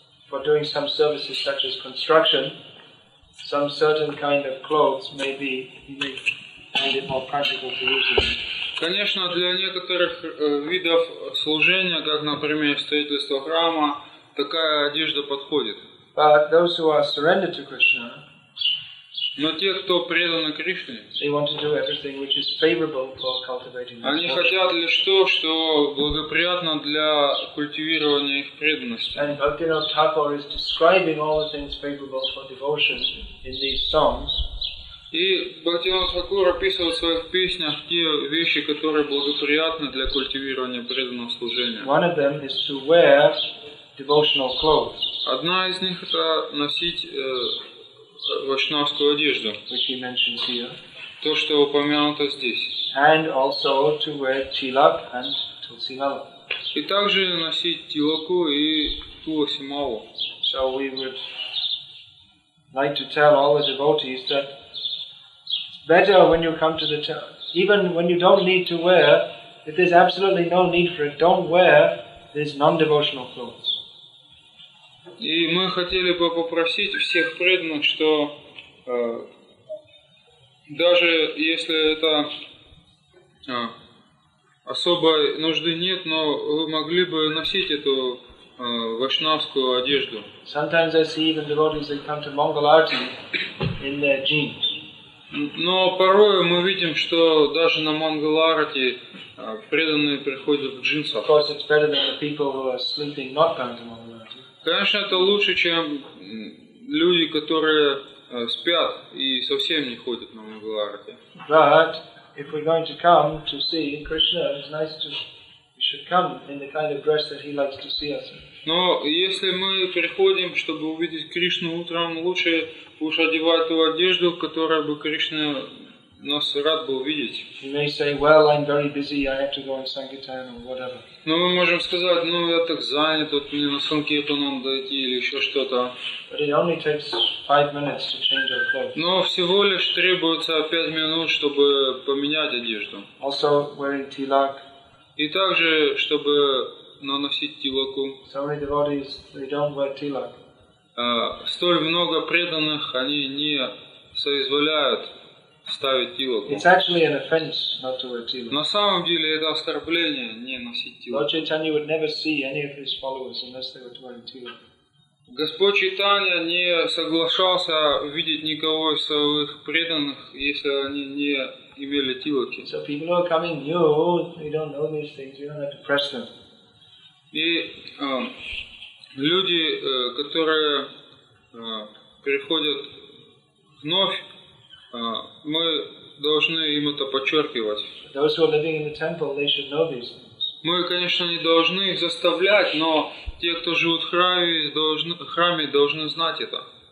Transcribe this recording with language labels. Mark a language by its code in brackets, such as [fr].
[en] For doing some services such as construction, some certain kind of clothes maybe find it more practical to use. [ru] Конечно, для некоторых видов служения, как, например, строительство храма, такая одежда подходит. [en] But those who are surrendered to Krishna, [ru] но те, кто преданы Кришне, [en] they want to do everything which is favorable for cultivating. [ru] Они хотят лишь то, что благоприятно для культивирования их преданности. [en] And Bhaktivinoda Thakur is describing all the things favorable for devotion in these songs. [ru] И Бхактивинода Тхакур описывает в своих песнях те вещи, которые благоприятны для культивирования преданного служения. [en] One of them is to wear devotional clothes. [ru] Одна из них это носить вайшнавскую одежду, [en] which he mentions here, [ru] то, что упомянуто здесь, [en] and also to wear tilak and tulsi mala. [ru] И также носить тилаку и тулси малу. [en] So we would like to tell all the devotees that it's better when you come to the temple, even when you don't need to wear, if there's absolutely no need for it, don't wear these non-devotional clothes. [ru] И мы хотели бы попросить всех преданных, что даже если это особой нужды нет, но вы могли бы носить эту вайшнавскую одежду. [en] Sometimes I see even devotees that come to Mongol Arti in their jeans. [ru] Но порой мы видим, что даже на Mongol Arti преданные приходят в джинсах. [en] Of course, it's better than the people who are sleeping not coming to Mongol Arti. [ru] Конечно, это лучше, чем люди, которые спят и совсем не ходят на Мангаларте. [en] But if we're going to come to see Krishna, it's nice to we should come in the kind of dress that he likes to see us in. [ru] Но если мы приходим, чтобы увидеть Кришну утром, лучше уж одевать ту одежду, которую бы Кришна нас рад был видеть. [en] You may say, well, I'm very busy, I have to go in Sankirtan or whatever. [ru] Но мы можем сказать, ну я так занят, вот мне на Санкиртан надо идти или еще что-то. [en] But it only takes 5 minutes to change our clothes. [ru] Но всего лишь требуется 5 минут, чтобы поменять одежду. [en] Also wearing tilak. [ru] И также, чтобы наносить тилаку. [en] So many devotees, they don't wear tilak. [ru] Столь много преданных, они не соизволяют ставить тилаку. [en] It's actually an offense not to wear tilak. [ru] На самом деле это оскорбление не носить тилаку. [en] Lord Chaitanya would never see any of his followers unless they were wearing tilak. [ru] Господь Чайтанья не соглашался видеть никого из своих преданных, если они не имели тилаки. [en] So people are coming new, they don't know these things, you don't have to press them. [ru] И люди, которые приходят вновь, мы должны им это подчеркивать. [en] Those who are living in the temple, they should know these things. [ru] Мы, конечно, не должны их заставлять, но те, кто живут в храме, должны знать это.